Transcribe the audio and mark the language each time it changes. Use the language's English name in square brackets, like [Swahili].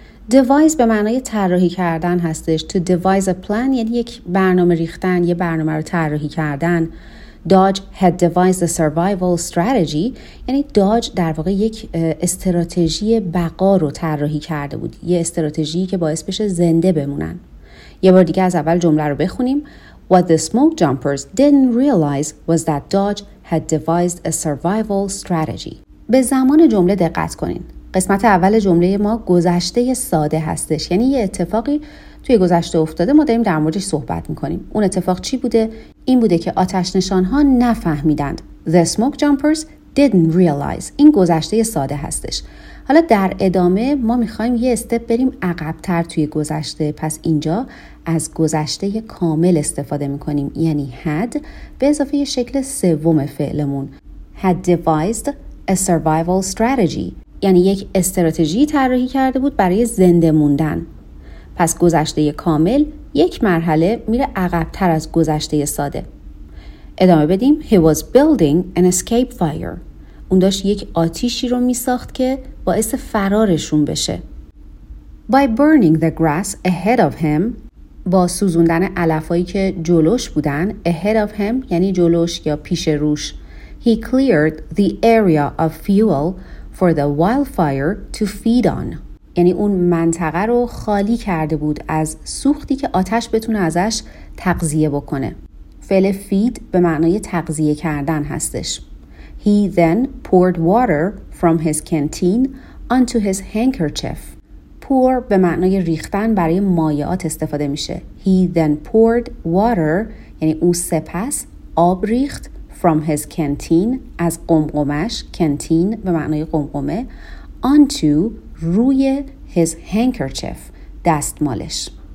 [Persian] Devise به معنای طراحی کردن هستش. [English] To devise a plan [Persian] یعنی یک برنامه ریختن، یه برنامه رو طراحی کردن. [English] Dodge had devised a survival strategy [Persian] یعنی داج در واقع یک استراتژی بقا رو طراحی کرده بود، یه استراتژی که باعث بشه زنده بمونن. یه بار دیگه از اول جمله رو بخونیم. [English] What the smoke jumpers didn't realize was that Dodge had devised a survival strategy. [Persian] به زمان جمله دقت کنین. قسمت اول جمله ما گذشته ساده هستش، یعنی یه اتفاقی توی گذشته افتاده، ما داریم در موردش صحبت میکنیم. اون اتفاق چی بوده؟ این بوده که آتش نشان ها نفهمیدند. [English] The smoke jumpers didn't realize. [Persian] این گذشته ساده هستش. حالا در ادامه ما میخواییم یه استپ بریم عقبتر توی گذشته. پس اینجا از گذشته کامل استفاده میکنیم. یعنی had به اضافه شکل سوم فعلمون. [English] Had devised a survival strategy. [Persian] یعنی یک استراتژی طراحی کرده بود برای زنده موندن. پس گذشته کامل یک مرحله میره عقب‌تر از گذشته ساده. ادامه بدیم. [English] He was building an escape fire. [Persian] اون داشت یک آتیشی رو می‌ساخت که باعث فرارشون بشه. [English] By burning the grass ahead of him. [Persian] با سوزوندن علفایی که جلوش بودن. [English] Ahead of him [Persian] یعنی جلوش یا پیش روش. [English] He cleared the area of fuel for the wildfire to feed on. [Persian] یعنی اون منطقه رو خالی کرده بود از سوختی که آتش بتونه ازش تغذیه بکنه. فعل feed به معنای تغذیه کردن هستش. [English] He then poured water from his canteen onto his handkerchief. [Persian] Pour به معنای ریختن برای مایعات استفاده میشه. [English] He then poured water [Persian] یعنی اون سپس آب ریخت [English] from his canteen [Persian] از قمقمش، canteen به معنای قمقمه، [English] onto [Persian] روی [English] his handkerchief [Persian] دستمالش.